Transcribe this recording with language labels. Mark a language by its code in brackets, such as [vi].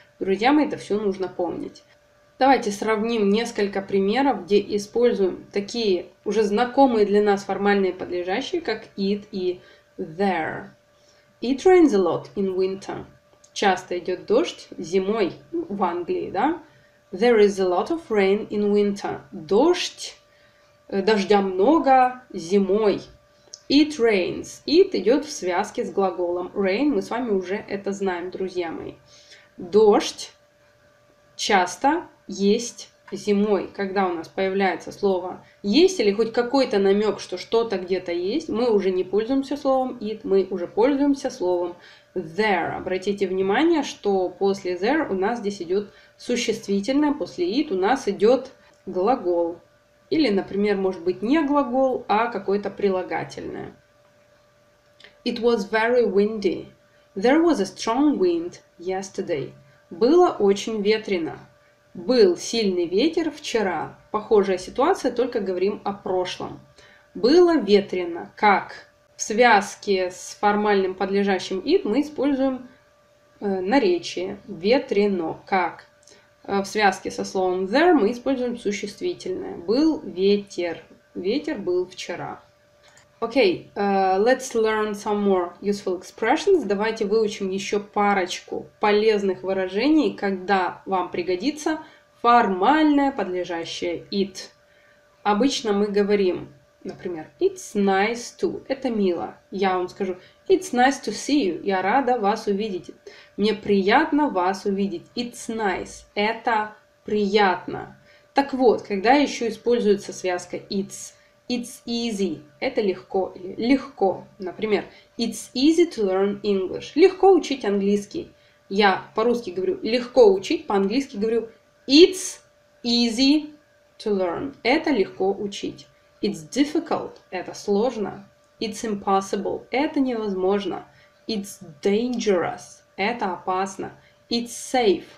[ru] Друзья мои, это все нужно помнить. Давайте сравним несколько примеров, где используем такие уже знакомые для нас формальные подлежащие, как it и there. [en] It rains a lot in winter. [ru] Часто идет дождь зимой в Англии, да? [en] There is a lot of rain in winter. [ru] Дождя много зимой. [en] It rains. [ru] It идет в связке с глаголом rain. Мы с вами уже это знаем, друзья мои. Дождь часто есть зимой. Когда у нас появляется слово есть или хоть какой-то намек, что что-то где-то есть, мы уже не пользуемся словом it, мы уже пользуемся словом there. Обратите внимание, что после there у нас здесь идет существительное, после it у нас идет глагол. Или, например, может быть не глагол, а какое-то прилагательное. [en] It was very windy. There was a strong wind yesterday. [ru] Было очень ветрено. Был сильный ветер вчера. Похожая ситуация, только говорим о прошлом. Было ветрено. Как? В связке с формальным подлежащим it мы используем наречие. Ветрено. Как? В связке со словом there мы используем существительное. Был ветер. Ветер был вчера. Окей, [en] let's learn some more useful expressions. [ru] Давайте выучим еще парочку полезных выражений, когда вам пригодится формальное подлежащее it. Обычно мы говорим, например, [en] it's nice to. [ru] Это мило. Я вам скажу, [en] it's nice to see you. [ru] Я рада вас увидеть. Мне приятно вас увидеть. [en] It's nice. [ru] Это приятно. Так вот, когда еще используется связка it's. [en] It's easy. [ru] Это легко. Легко. Например, [en] it's easy to learn English. [ru] Легко учить английский. Я по-русски говорю легко учить, по-английски говорю [en] it's easy to learn. [ru] Это легко учить. [en] It's difficult. [ru] Это сложно. [en] It's impossible. [ru] Это невозможно. [en] It's dangerous. [ru] Это опасно. [en] It's safe.